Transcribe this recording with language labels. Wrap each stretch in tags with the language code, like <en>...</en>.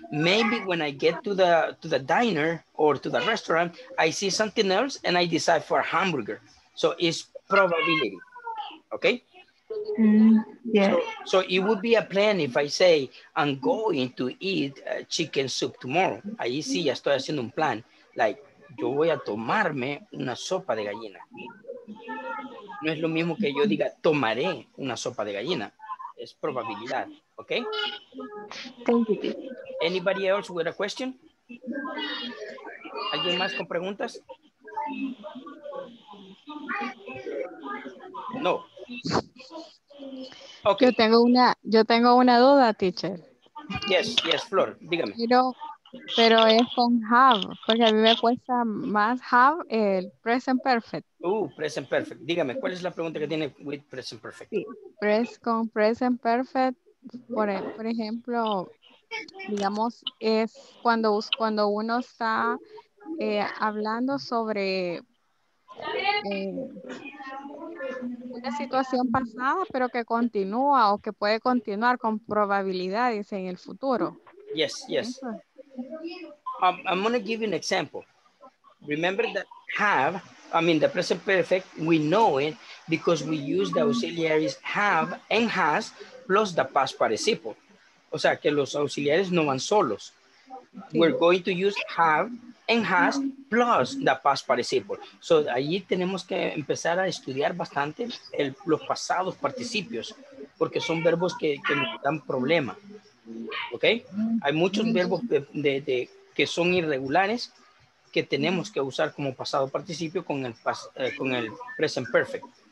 <en>Maybe when I get to the diner or to the restaurant, I see something else and I decide for a hamburger. So it's probability. Okay? Yeah. So it would be a plan if I say I'm going to eat chicken soup tomorrow.</en> <es>Ahí sí ya estoy haciendo un plan. Like, yo voy a tomarme una sopa de gallina. No es lo mismo que yo diga tomaré una sopa de gallina. Es probabilidad, ¿ok?</es> <en>Thank you. Anybody else with a question?</en> <es>¿Alguien más con preguntas?</es> <en>No.</en> <es>Okay. Yo tengo una duda, teacher.</es> <en>Yes, yes, Flor,</en> <es>dígame. Pero es con have, porque a mí me cuesta más have el present perfect. Present perfect. Dígame, ¿cuál es la pregunta que tiene with present perfect? Sí, con present perfect, por ejemplo, digamos, es cuando uno está hablando sobre una situación pasada, pero que continúa o que puede continuar con probabilidades en el futuro.</es> <en>Yes, yes. I'm going to give you an example. Remember that have, I mean the present perfect, we know it because we use the auxiliaries have and has plus the past participle.</en> <es>O sea, que los auxiliares no van solos.</es> <en>We're going to use have and has plus the past participle.</en> <es>So allí tenemos que empezar a estudiar bastante el, los pasados participios, porque son verbos que nos dan problema. Okay? Hay muchos verbos de que son irregulares que tenemos que usar como pasado participio con el present perfect.</es>